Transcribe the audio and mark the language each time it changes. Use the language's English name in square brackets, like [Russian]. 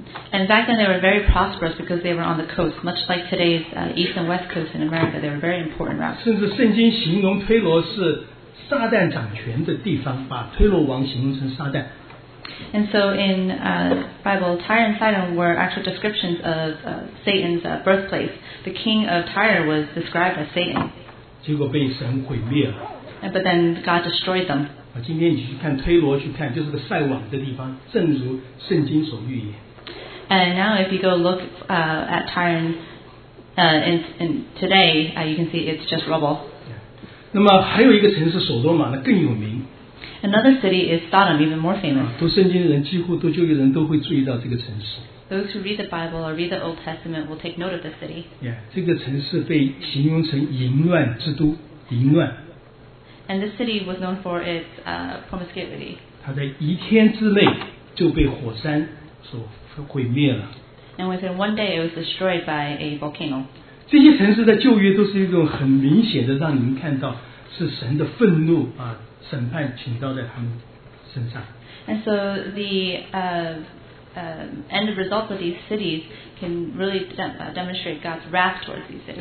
[English] And back then they were very prosperous because they were on the coast, much like today's east and west coast in America. They were very important routes. [Chinese] 甚至圣经形容推罗是撒旦掌权的地方，把推罗王形容成撒旦。 [English] And so in Bible, Tyre and Sidon were actual descriptions of Satan's birthplace. The king of Tyre was described as Satan. [Chinese] 结果被神毁灭了。 [English] But then God destroyed them. [Chinese] 今天你去看推罗，去看就是个塞网的地方，正如圣经所预言。 [English] And now if you go look at Tyre in today, you can see it's just rubble. [Chinese] 那么还有一个城市所罗马呢，更有名。 [English] Another city is Sodom, even more famous. [Chinese] 读圣经的人几乎读旧约人都会注意到这个城市。 [English] Those who read the Bible or read the Old Testament will take note of this city. [Chinese] Yeah, 这个城市被形容成淫乱之都，淫乱。 [English] And this city was known for its promiscuity. [Chinese] 它在一天之内就被火山所毁灭了。 [English] And within one day, it was destroyed by a volcano. [Chinese] 这些城市在旧约都是一种很明显的，让你们看到是神的愤怒啊，审判倾倒在他们身上。 [English] And so the end result of these cities can really demonstrate God's wrath towards these cities.